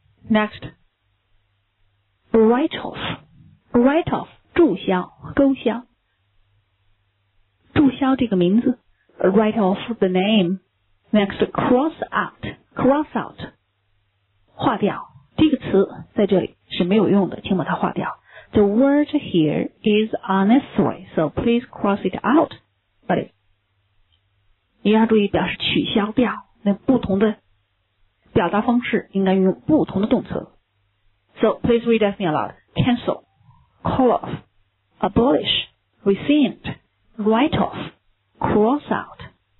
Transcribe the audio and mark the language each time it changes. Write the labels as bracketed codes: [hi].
[en] Next, write off. Write off, [zh] 注销，勾销。注销这个名字， [en] write off the name. Next, cross out. Cross out, 划掉。 [zh] 这个词在这里是没有用的，请把它划掉。 [en] The word here is unnecessary, so please cross it out. [zh] But, 你要注意表示取消掉，那不同的表达方式应该用不同的动词。 [en] So, please read with me aloud. Cancel, call off, abolish, rescind, write off, cross out.